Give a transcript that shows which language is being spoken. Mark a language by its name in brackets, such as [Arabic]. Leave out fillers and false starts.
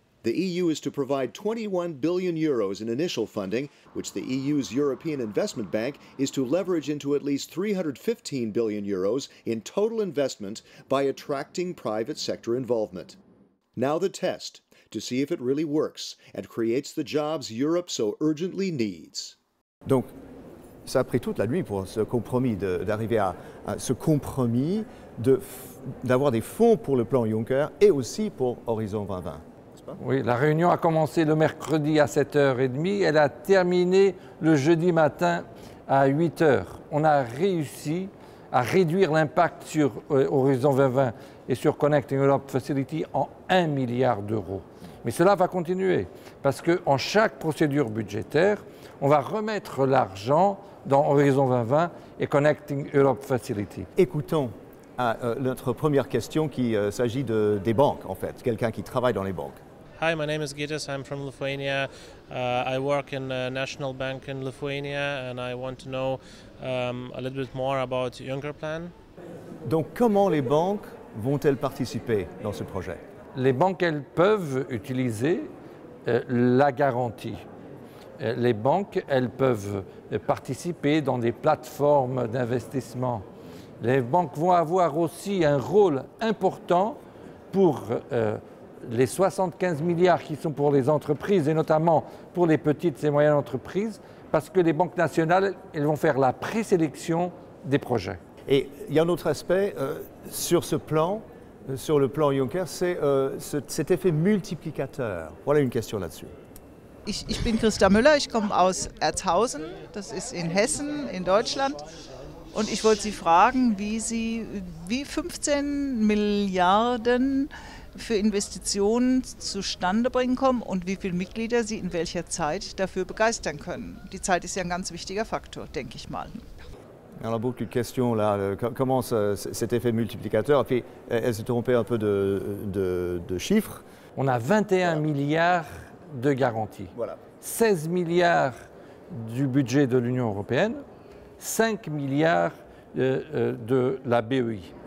[English] The EU is to provide 21 billion euros in initial funding, which the EU's European Investment Bank is to leverage into at least 315 billion euros in total investment by attracting private sector involvement. Now the test, to see if it really works and creates the jobs Europe so urgently needs. [French] Donc, ça a pris toute la nuit pour ce compromis, d'arriver à ce compromis d'avoir des fonds pour le plan Juncker et aussi pour Horizon 2020. Oui, la réunion a commencé le mercredi à 7h30. Elle a terminé le jeudi matin à 8h. On a réussi à réduire l'impact sur Horizon 2020 et sur Connecting Europe Facility en 1 milliard d'euros. Mais cela va continuer parce qu'en chaque procédure budgétaire, on va remettre l'argent dans Horizon 2020 et Connecting Europe Facility. Écoutons notre première question qui s'agit des banques, en fait, quelqu'un qui travaille dans les banques. [English] Hi, my name is Gitas, I'm from Lithuania. I work in a national bank in Lithuania and I want to know a little bit more about Juncker Plan. [French] Donc, comment les banques vont-elles participer dans ce projet? Les banques, elles peuvent utiliser la garantie. Les banques, elles peuvent participer dans des plateformes d'investissement. Les banques vont avoir aussi un rôle important pour les 75 milliards qui sont pour les entreprises et notamment pour les petites et moyennes entreprises, parce que les banques nationales, elles vont faire la présélection des projets. Et il y a un autre aspect sur ce plan, sur le plan Juncker, c'est cet effet multiplicateur. Voilà une question là-dessus. [German] Ich bin Christa Müller, ich komme aus Erzhausen, das ist in Hessen, in Deutschland. Und ich wollte Sie fragen, wie 15 Milliarden für Investitionen zustande bringen kommen und wie viele Mitglieder Sie in welcher Zeit dafür begeistern können. Die Zeit ist ja ein ganz wichtiger Faktor, denke ich mal. [French] Alors, beaucoup de questions là. Comment cet effet multiplicateur? Et puis, elle s'est trompée un peu de chiffres. On a 21 milliards de garanties. Voilà. 16 milliards du budget de l'Union européenne, 5 milliards de la BEI.